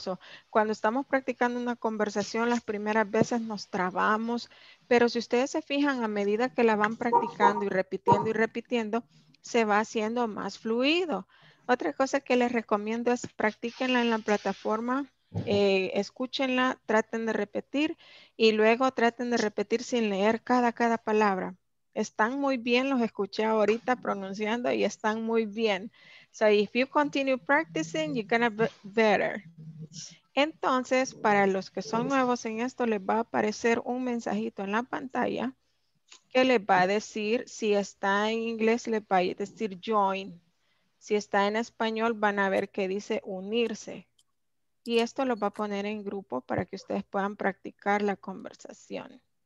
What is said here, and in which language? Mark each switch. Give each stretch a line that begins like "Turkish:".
Spanish: So, cuando estamos practicando una conversación las primeras veces nos trabamos, pero si ustedes se fijan a medida que la van practicando y repitiendo, se va haciendo más fluido. Otra cosa que les recomiendo es practíquenla en la plataforma, escúchenla, traten de repetir y luego traten de repetir sin leer cada palabra. Están muy bien, los escuché ahorita pronunciando y están muy bien.
English: So if you continue practicing, you're gonna be better.
Spanish: Entonces, para los que son nuevos en esto, les va a aparecer un mensajito en la pantalla que les va a decir, si está en inglés, les va a decir join. Si está en español, van a ver que dice unirse. Y esto lo va a poner en grupo para que ustedes puedan practicar la conversación.